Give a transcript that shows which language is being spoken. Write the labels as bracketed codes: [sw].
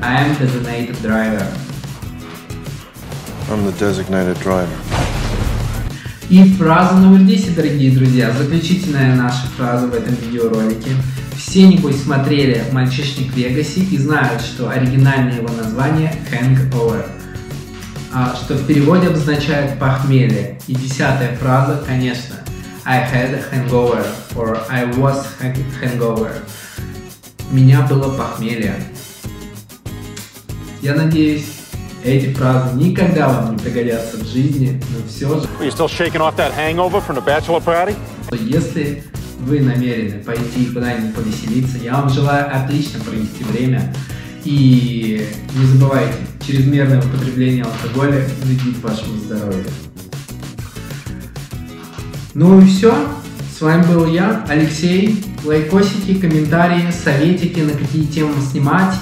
[en] I am the designated driver. I'm the designated driver. [ru] И фраза номер 10, дорогие друзья. Заключительная наша фраза в этом видеоролике. Все, небось, смотрели «Мальчишник в Вегасе» и знают, что оригинальное его название – «Hangover», что в переводе обозначает «похмелье». И десятая фраза, конечно, [en] «I had a hangover» or «I was hangover». [ru] Меня было похмелье. Я надеюсь, эти фразы никогда вам не пригодятся в жизни, но все же... [en] Are you still shaking off that hangover from the bachelor party? [ru] Если вы намерены пойти куда-нибудь повеселиться, я вам желаю отлично провести время. И не забывайте, чрезмерное употребление алкоголя вредит вашему здоровью. Ну и все. С вами был я, Алексей. Лайкосики, комментарии, советики, на какие темы снимать.